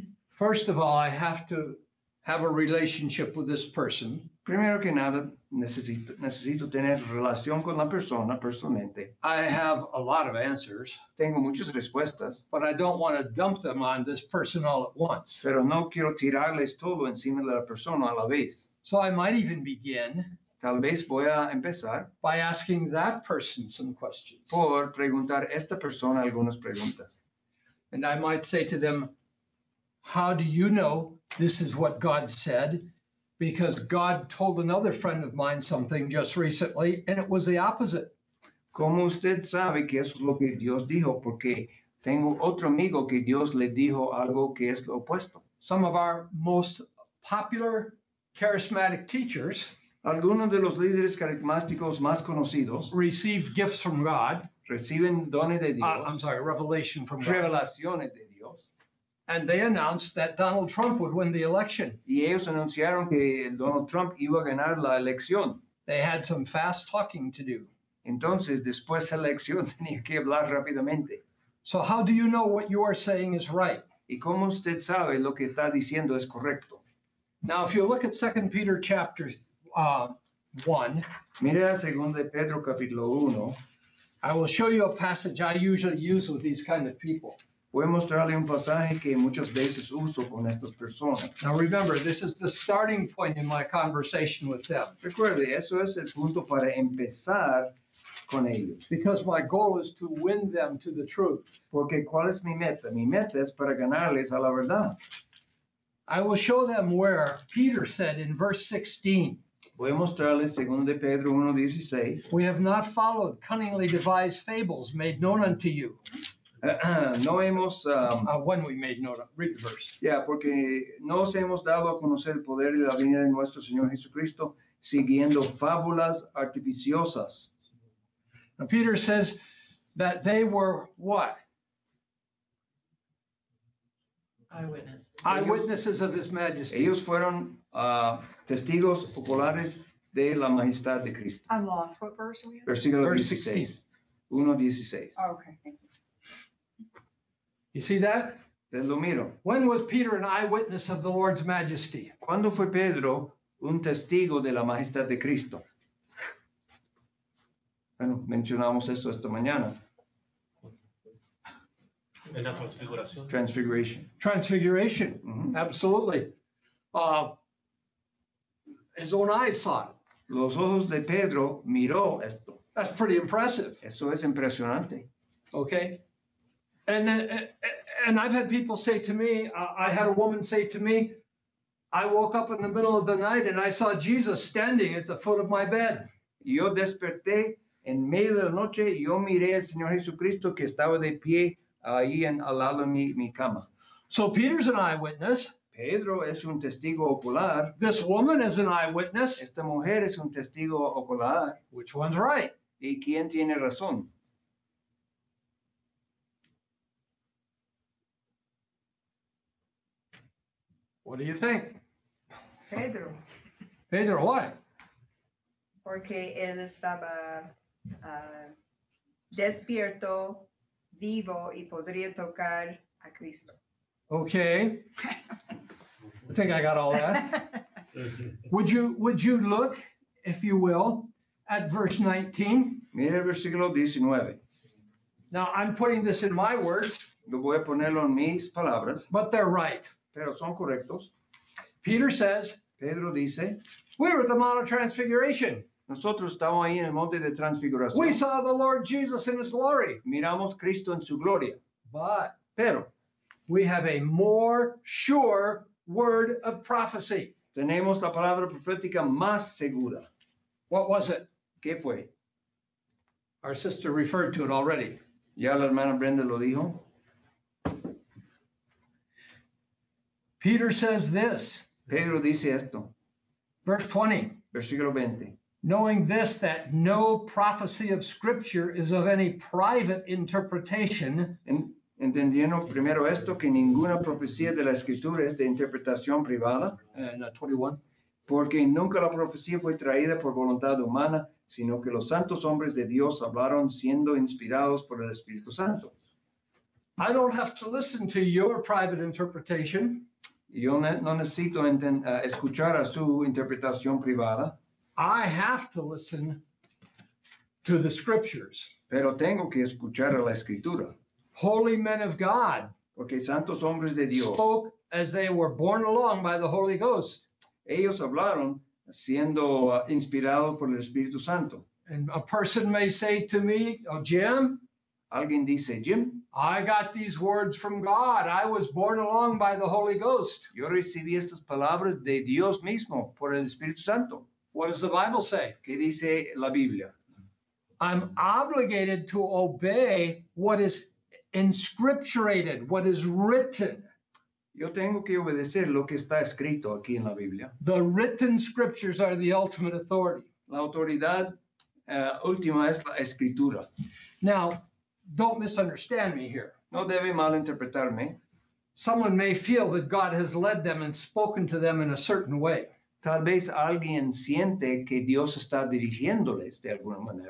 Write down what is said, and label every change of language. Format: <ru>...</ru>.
<en>First of all, I have to have a relationship with this person.</en> <es>Primero que nada, necesito tener relación con la persona personalmente.</es> <en>I have a lot of answers.</en> <es>Tengo muchas respuestas.</es> <en>But I don't want to dump them on this person all at once.</en> <es>Pero no quiero tirarles todo encima de la persona a la vez.</es> <en>So I might even begin.</en> <es>Tal vez voy a empezar.</es> <en>By asking that person some questions.</en> <es>Por preguntar a esta persona algunas preguntas.</es> <en>And I might say to them, how do you know this is what God said? Because God told another friend of mine something just recently, and it was the opposite.</en> <es>¿Cómo usted sabe que eso es lo que Dios dijo? Porque tengo otro amigo que Dios le dijo algo que es lo opuesto.</es> <en>Some of our most popular charismatic teachers,</en> <es>algunos de los líderes carismáticos más conocidos,</es> <en>received gifts from God.</en> <es>Reciben dones de Dios.</es> <en>Revelation from God.</en> <es>Revelaciones de Dios.</es> <en>And they announced that Donald Trump would win the election.</en> <es>Y ellos anunciaron que Donald Trump iba a ganar la elección.</es> <en>They had some fast talking to do.</en> <es>Entonces, después de la elección, tenía que hablar rápidamente.</es> <en>So how do you know what you are saying is right?</en> <es>¿Y cómo usted sabe lo que está diciendo es correcto?</es> <en>Now, if you look at 2 Peter chapter 1.</en> <es>Mira 2 Pedro capítulo 1.</es> <en>I will show you a passage I usually use with these kind of people.</en> <es>Voy a mostrarle un pasaje que muchas veces uso con estas personas.</es> <en>Now remember, this is the starting point in my conversation with them.</en> <es>Recuerde, eso es el punto para empezar con ellos.</es> <en>Because my goal is to win them to the truth.</en> <es>Porque ¿cuál es mi meta? Mi meta es para ganarles a la verdad.</es> <en>I will show them where Peter said in verse 16.</en> <es>Voy a mostrarles 2 Pedro 1:16.</es> <en>We have not followed cunningly devised fables made known unto you. Read the verse.</en> <es>Yeah, porque no os hemos dado a conocer el poder y la venida de nuestro Señor Jesucristo siguiendo fábulas artificiosas.</es> <en>Now Peter says that they were what? Eyewitnesses. Eyewitnesses of his majesty.</en> <es>Ellos fueron testigos oculares de la majestad de Cristo.</es> <en>I'm lost. What verse are we in?</en> <es>Versículo 16. 1:16.</es> <en>Oh, okay, thank you. You see that?</en> <es>Te lo miro.</es> <en>When was Peter an eyewitness of the Lord's majesty?</en> <es>¿Cuándo fue Pedro un testigo de la majestad de Cristo? Bueno, mencionamos esto esta mañana. En la transfiguración.</es> <en>Transfiguration. Transfiguration, mm-hmm. Absolutely. His own eyes saw it.</en> <es>Los ojos de Pedro miró esto.</es> <en>That's pretty impressive.</en> <es>Eso es impresionante.</es> <en>Okay. And then, and I've had people say to me, I had a woman say to me, I woke up in the middle of the night and I saw Jesus standing at the foot of my bed.</en> <es>Yo desperté en medio de la noche, yo miré al Señor Jesucristo que estaba de pie ahí en al lado de mi cama.</es> <en>So Peter's an eyewitness.</en> <es>Pedro es un testigo ocular.</es> <en>This woman is an eyewitness.</en> <es>Esta mujer es un testigo ocular.</es> <en>Which one's right?</en> <es>¿Y quién tiene razón?</es> <en>What do you think?</en> <es>Pedro.</es> <en>Pedro, what?</en> <es>Porque él estaba despierto, vivo, y podría tocar a Cristo.</es> <en>Okay. I think I got all that. Would you look, if you will, at verse 19?</en> <es>Mira el versículo 19.</es> <en>Now, I'm putting this in my words.</en> <es>Lo voy a ponerlo en mis palabras.</es> <en>But they're right.</en> <es>Pero son correctos.</es> <en>Peter says,</en> <es>Pedro dice,</es> <en>we were at the Mount of Transfiguration.</en> <es>Nosotros estábamos ahí en el Monte de Transfiguración.</es> <en>We saw the Lord Jesus in his glory.</en> <es>Miramos Cristo en su gloria.</es> <en>But,</en> <es>pero,</es> <en>we have a more sure word of prophecy.</en> <es>Tenemos la palabra profética más segura.</es> <en>What was it?</en> <es>¿Qué fue?</es> <en>Our sister referred to it already.</en> <es>Ya la hermana Brenda lo dijo.</es> <en>Peter says this.</en> <es>Pedro dice esto.</es> <en>Verse 20.</en> <es>Versículo 20.</es> <en>Knowing this, that no prophecy of Scripture is of any private interpretation.</en> <es>entendiendo primero esto que ninguna profecía de la escritura es de interpretación privada.</es> <en>And 21.</en> <es>Porque nunca la profecía fue traída por voluntad humana, sino que los santos hombres de Dios hablaron siendo inspirados por el Espíritu Santo.</es> <en>I don't have to listen to your private interpretation.</en> <es>Yo no necesito escuchar a su interpretación privada.</es> <en>I have to listen to the scriptures.</en> <es>Pero tengo que escuchar a la escritura.</es> <en>Holy men of God.</en> <es>Porque santos hombres de Dios.</es> <en>Spoke as they were borne along by the Holy Ghost.</en> <es>Ellos hablaron siendo inspirados por el Espíritu Santo.</es> <en>And a person may say to me, oh, Jim.</en> <es>Alguien dice, Jim.</es> <en>I got these words from God. I was borne along by the Holy Ghost.</en> <es>Yo recibí estas palabras de Dios mismo por el Espíritu Santo.</es> <en>What does the Bible say?</en> <es>¿Qué dice la Biblia?</es> <en>I'm obligated to obey what is inscripturated, what is written.</en> <es>Yo tengo que obedecer lo que está escrito aquí en la Biblia.</es> <en>The written scriptures are the ultimate authority.</en> <es>La autoridad última es la escritura.</es> <en>Now, don't misunderstand me here.</en> <es>No debe malinterpretarme.</es> <en>Someone may feel that God has led them and spoken to them in a certain way.</en> <es>Tal vez alguien siente que Dios está dirigiéndoles de alguna manera.</es>